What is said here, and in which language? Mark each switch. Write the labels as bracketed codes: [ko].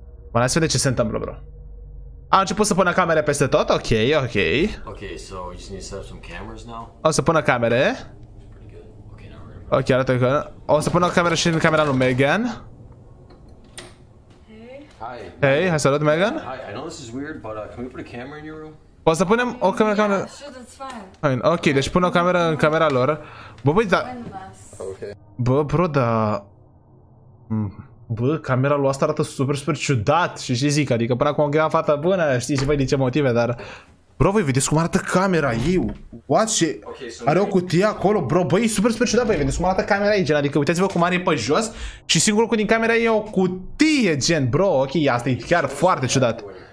[ro] Bă, hai să vedem ce se întâmplă, bro. A început să pună camere peste tot, ok, ok. [en] Ok, so we just need to set up some cameras now. [ro] O să pună camere. Ok, arată că... O să pună o cameră și în camera lui Megan. Hey, hai să arăt Megan. [en] Hi, I know this is weird, but can we put a camera in your room? [ro] O să punem o cameră în camera... Yeah, sure, ok, deci pun o cameră în camera lor. Bă, băi, dar... Bă, bro, dar... Bă, camera lui asta arată super, super ciudat. Și ce zic, adică până acum am fata bună, știi și voi de ce motive, dar... Bro, voi vedeți cum arată camera ei? What? Și are o cutie acolo, bro, băi, super, super ciudat, băi, vedeți cum arată camera ei, gen, adică uitați-vă cum are pe jos și singurul cu din camera ei e o cutie, gen, bro, ok, asta e chiar foarte ciudat.